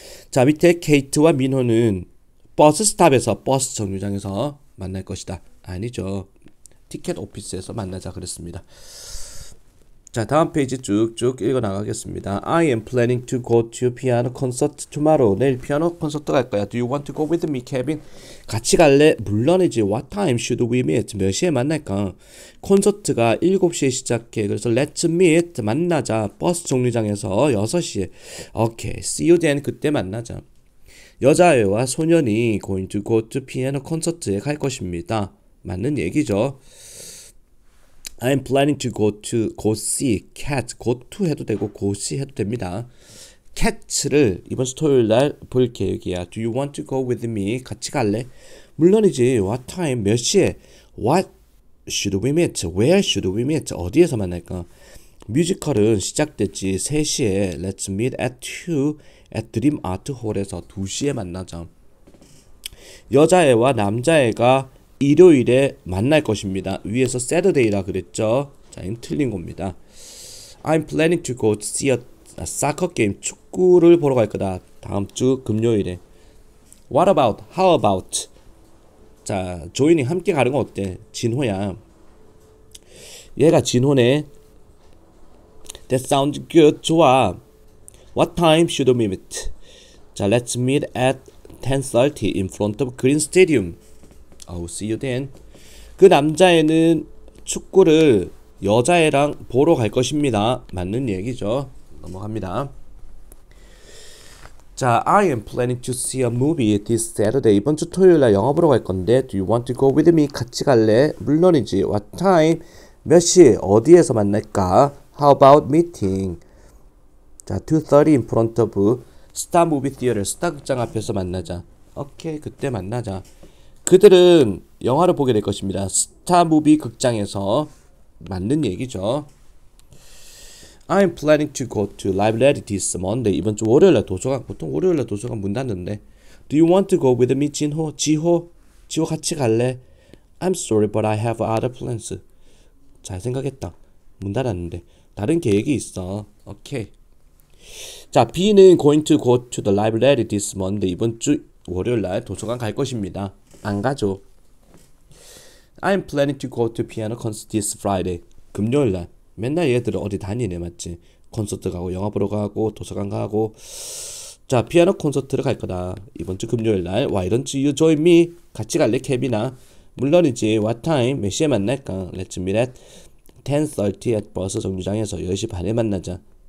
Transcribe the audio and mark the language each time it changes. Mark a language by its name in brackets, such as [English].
[Korean] 자, 밑에 케이트와 민호는 버스 스탑에서, 버스 정류장에서 만날 것이다. 아니죠. 티켓 오피스에서 만나자 그랬습니다. 자, 다음 페이지 쭉쭉 읽어 나가겠습니다. [English] I am planning to go to piano concert tomorrow. [Korean] 내일 피아노 콘서트 갈 거야. [English] Do you want to go with me, Kevin? [Korean] 같이 갈래? 물론이지. [English] What time should we meet? [Korean] 몇 시에 만날까? 콘서트가 7시에 시작해. 그래서 [English] let's meet. [Korean] 만나자. 버스 정류장에서 6시에. [English] Okay. See you then. [Korean] 그때 만나자. 여자애와 소년이 [English] going to go to piano concert [Korean] 에 갈 것입니다. 맞는 얘기죠. [English] I'm planning to go to go see cat. [Korean] go to 해도 되고 go see 해도 됩니다. cat를 이번 주 토요일 날볼 계획이야. [English] Do you want to go with me? [Korean] 같이 갈래? 물론이지. [English] What time? [Korean] 몇 시에? [English] What should we meet? Where should we meet? [Korean] 어디에서 만날까? 뮤지컬은 시작됐지. 3시에. [English] Let's meet at 2 at Dream Art Hall에서 [Korean] 2시에 만나자. 여자애와 남자애가 일요일에 만날 것입니다. 위에서 Saturday라 그랬죠? 자, 이건 틀린 겁니다. [English] I'm planning to go see a soccer game. [Korean] 축구를 보러 갈 거다. 다음 주 금요일에. [English] What about? How about? [Korean] 자, 조인이 함께 가는 거 어때? 진호야. 얘가 진호네. [English] That sounds good. [Korean] 좋아. [English] What time should we meet? 자, let's meet at 10:30 in front of Green Stadium. I'll see you then. [Korean] 그 남자애는 축구를 여자애랑 보러 갈 것입니다. 맞는 얘기죠. 넘어갑니다. [English] 자, I am planning to see a movie this Saturday. [Korean] 이번 주 토요일날 영화 보러 갈 건데, [English] Do you want to go with me? [Korean] 같이 갈래? 물론이지. [English] What time? [Korean] 몇 시? 어디에서 만날까? [English] How about meeting? 자, 2:30 in front of Star Movie Theater. [Korean] 스타 극장 앞에서 만나자. 오케이, 그때 만나자. 그들은 영화를 보게 될 것입니다. 스타 무비 극장에서 맞는 얘기죠. [English] I'm planning to go to library this Monday. [Korean] 이번 주 월요일날 도서관, 보통 월요일날 도서관 문 닫는데. [English] Do you want to go with me, 진호? [Korean] 지호? 지호 같이 갈래? [English] I'm sorry, but I have other plans. [Korean] 잘 생각했다. 문 닫았는데. 다른 계획이 있어. 오케이. [English] 자, B는 going to go to the library this Monday. [Korean] 이번 주 월요일날 도서관 갈 것입니다. 안 가죠. [English] I'm planning to go to piano concert this Friday. [Korean] 금요일 날. 맨날 얘들은 어디 다니네, 맞지? 콘서트 가고, 영화 보러 가고, 도서관 가고. 자, 피아노 콘서트를 갈 거다. 이번 주 금요일 날. [English] Why don't you join me? [Korean] 같이 갈래, 케빈아? 물론이지. [English] What time? [Korean] 몇 시에 만날까? [English] Let's meet at 10:30 at [Korean] 버스 정류장에서 10시 반에 만나자.